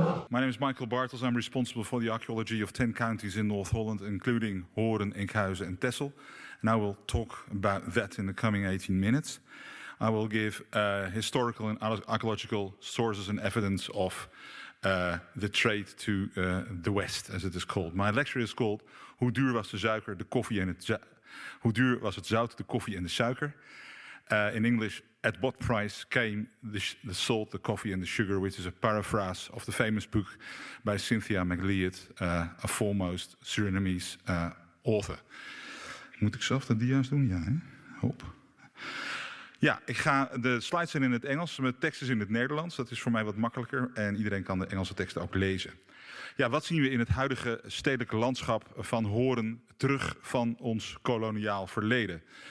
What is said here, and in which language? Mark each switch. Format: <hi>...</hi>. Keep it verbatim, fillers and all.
<en>My name is Michael Bartels. I'm responsible for the archaeology of ten counties in North Holland, including Hoorn, Enkhuizen and Texel. And I will talk about that in the coming eighteen minutes. I will give uh, historical and archaeological sources and evidence of Uh, the trade to uh, the West, as it is called. My lecture is called</en> <nl>Hoe duur was de suiker, de koffie en het zout? Hoe duur was het zout, de koffie en de suiker?</nl> <en>Uh, in English, at what price came the, sh- the salt, the coffee and the sugar, which is a paraphrase of the famous book by Cynthia McLeod, uh, a foremost Surinamese uh, author.</en> <nl>Moet ik zelf de dia's doen? Ja, hè? Hop. Ja, ik ga, de slides zijn in het Engels, de tekst is in het Nederlands. Dat is voor mij wat makkelijker en iedereen kan de Engelse teksten ook lezen. Ja, wat zien we in het huidige stedelijke landschap van Hoorn terug van ons koloniaal verleden?</nl>